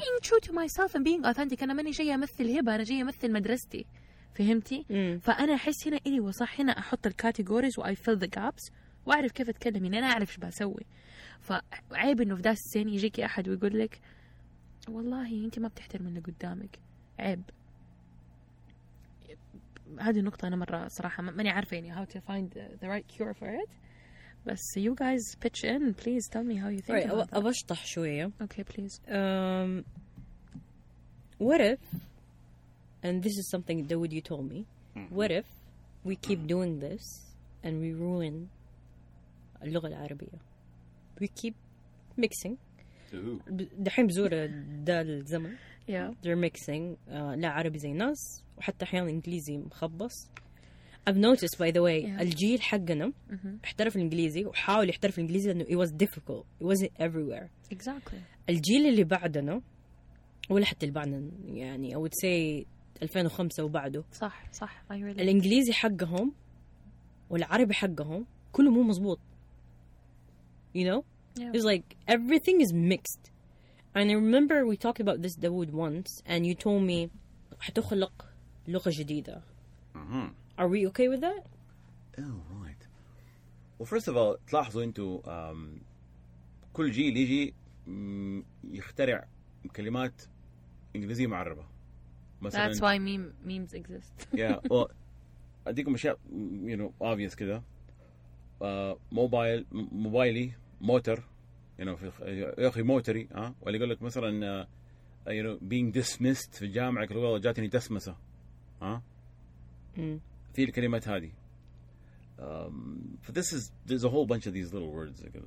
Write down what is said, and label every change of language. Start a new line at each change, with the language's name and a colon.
English: being true to myself and being authentic
Arabic: انا ماني جايه امثل هبه انا جايه امثل مدرستي فهمتي؟ فأنا أحس هنا إني وصح هنا أحط الكاتيجوريز وآي فيل ذا جابس وأعرف كيف أتكلم يعني أنا أعرف شو بسوي فعيب إنه في ذا السن يجيك أحد ويقول لك والله أنت ما بتحترم اللي قدامك عيب هذه النقطة أنا مرة صراحة ماني عارفة يعني
English: how to find the right cure for it
Arabic: بس
English: you guys pitch in please tell me how you think right, about that
Arabic: أبشطح شوية
English: okay please what if And this is something Dawood, you told me. What if we keep doing this and we ruin
Arabic: اللغة العربية? We keep mixing. دحين بزور ده الزمن.
English: Yeah. They're mixing.
Arabic: لا عربي زي ناس. وحتى أحيانا إنجليزي مخبص.
English: I've noticed, by the way,
Arabic: الجيل حقنا احترف الإنجليزي وحاول يحترف الإنجليزي لأنه
English: it was difficult. It wasn't everywhere. Exactly.
Arabic: الجيل اللي بعدنا ولا حتى اللي بعدنا يعني
English: I would say
Arabic: 2005 وبعده صح
English: really
Arabic: الإنجليزي حقهم والعربي حقهم كله مو مزبوط
English: you know yeah. it's like everything is mixed and I remember we talked about this Dawood once and you told me
Arabic: حتخلق لغة جديدة
English: are we okay with that oh right well first of all
Arabic: تلاحظوا أنتوا كل جيل يجي يخترع كلمات إنجليزية معربة
English: That's why memes exist. yeah. Well, I think Michelle, you know, obvious كده. Mobile, motor, you know,
Arabic: في أخي
English: motory,
Arabic: واللي يقول لك مثلاً,
English: you know, being dismissed
Arabic: في الجامعة كل والله جاتني دسمسة, في الكلمات هذه.
English: This is there's a whole bunch of these little words.